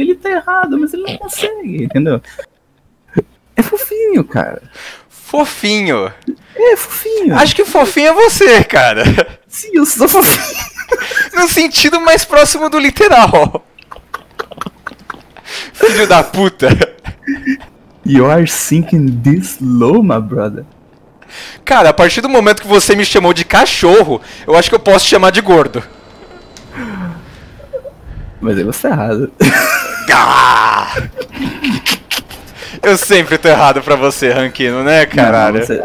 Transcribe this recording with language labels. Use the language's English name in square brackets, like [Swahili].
[Portuguese] Ele tá errado, mas ele não consegue, entendeu? É fofinho, cara. Fofinho. É fofinho. Acho que fofinho é você, cara. Sim, eu sou fofinho. No sentido mais próximo do literal. Filho da puta. [English] You are sinking this low, my brother. [Portuguese] Cara, a partir do momento que você me chamou de cachorro, eu acho que eu posso te chamar de gordo. Mas aí você tá errado. Eu sempre tô errado pra você, Rankino, né, Não, caralho?